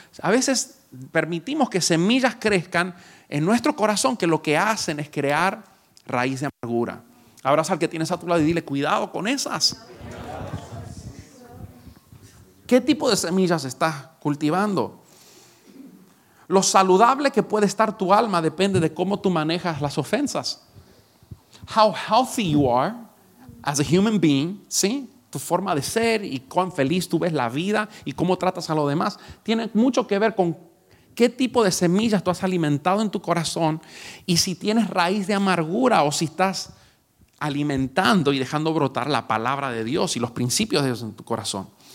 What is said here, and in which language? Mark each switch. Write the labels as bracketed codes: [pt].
[es] A veces permitimos que semillas crezcan en nuestro corazón que lo que hacen es crear raíz de amargura. Abraza al que tienes a tu lado y dile, cuidado con esas. ¿Qué tipo de semillas estás cultivando? Lo saludable que puede estar tu alma depende de cómo tú manejas las ofensas. [en] How healthy you are as a human being, [es] ¿sí? Tu forma de ser y cuán feliz tú ves la vida y cómo tratas a los demás, tiene mucho que ver con qué tipo de semillas tú has alimentado en tu corazón y si tienes raíz de amargura o si estás alimentando y dejando brotar la palabra de Dios y los principios de Dios en tu corazón.